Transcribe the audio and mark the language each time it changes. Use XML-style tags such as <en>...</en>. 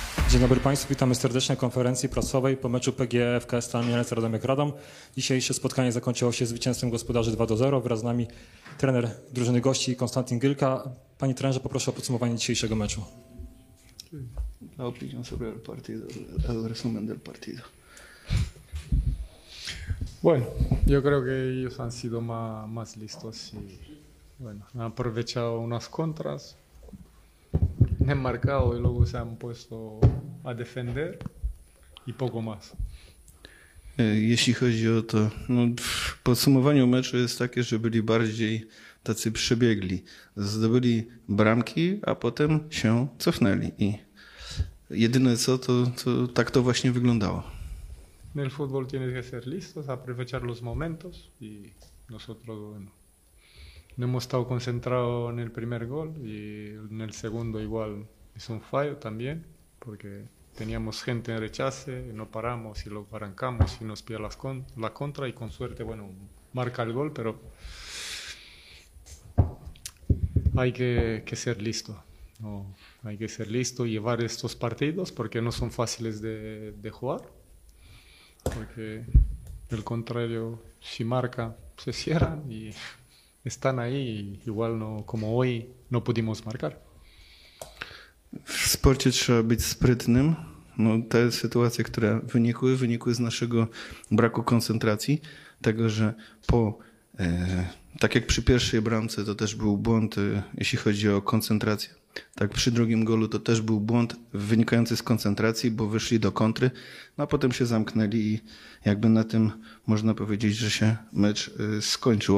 <pl>Dzień dobry Państwu, witamy serdecznie na konferencji prasowej po meczu PGE FKS Stal Mielec Radomiak Radom. Dzisiejsze spotkanie zakończyło się zwycięstwem gospodarzy 2-0. Wraz z nami trener drużyny gości Konstantin Gylka. Panie trenerze, poproszę o podsumowanie dzisiejszego meczu.</pl> <es>La opinión sobre el partido, el resumen del partido. Bueno, yo creo que ellos han sido más listos y bueno, han aprovechado unas contras, han marcado y luego se han puesto a defender y poco más.</es> <pl>Jeśli chodzi o to, no, w podsumowaniu meczu jest takie, że byli bardziej tacy przebiegli. Zdobyli bramki, a potem się cofnęli i jedyne co, to tak to właśnie wyglądało.</pl> <es>En el fútbol tienes que ser listos, aprovechar los momentos y nosotros bueno, no hemos estado concentrados en el primer gol y en el segundo igual es un fallo también porque teníamos gente en rechace, no paramos y lo arrancamos y nos pilla la contra y con suerte bueno marca el gol, pero hay que ser listo. No, hay que ser listo y llevar estos partidos porque no son fáciles de jugar. Porque del contrario, si marca, se cierran y están ahí, igual no como hoy no pudimos marcar.</es> <pl>W sporcie trzeba być sprytnym. No, te sytuacje, które wynikły z naszego braku koncentracji, tego, że po tak jak przy pierwszej bramce to też był błąd, jeśli chodzi o koncentrację. Tak przy drugim golu to też był błąd wynikający z koncentracji, bo wyszli do kontry, no a potem się zamknęli i jakby na tym można powiedzieć, że się mecz skończył.</pl>